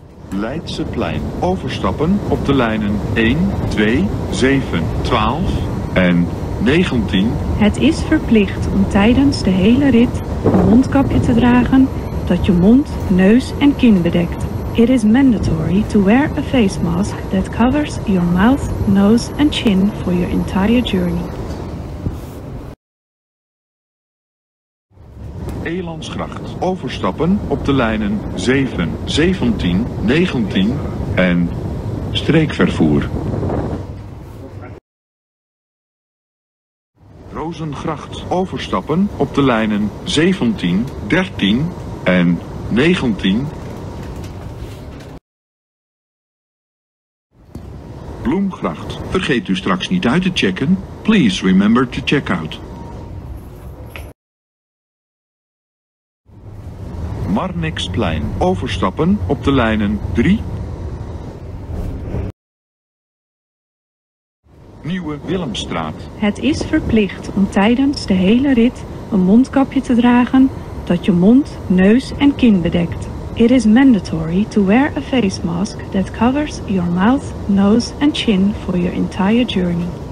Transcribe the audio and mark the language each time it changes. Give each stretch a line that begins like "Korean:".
Dutch: Leidseplein. Overstappen op de lijnen 1, 2, 7, 12 en 19. Het is verplicht om tijdens de hele rit een mondkapje te dragen dat je mond, neus en kin bedekt.
English: It is mandatory to wear a face mask that covers your mouth, nose and chin for your entire journey.
Dutch: Elandsgracht. Overstappen op de lijnen 7, 17, 19 en streekvervoer. Rozengracht. Overstappen op de lijnen 17, 13 en 19. Bloemgracht. Vergeet u straks niet uit te checken.
English: Please remember to check out.
Dutch: Marnixplein. Overstappen op de lijnen 3. Nieuwe Willemstraat. Het is verplicht om tijdens de hele rit een mondkapje te dragen dat je mond, neus en kin bedekt.
English: It is mandatory to wear a face mask that covers your mouth, nose and chin for your entire journey.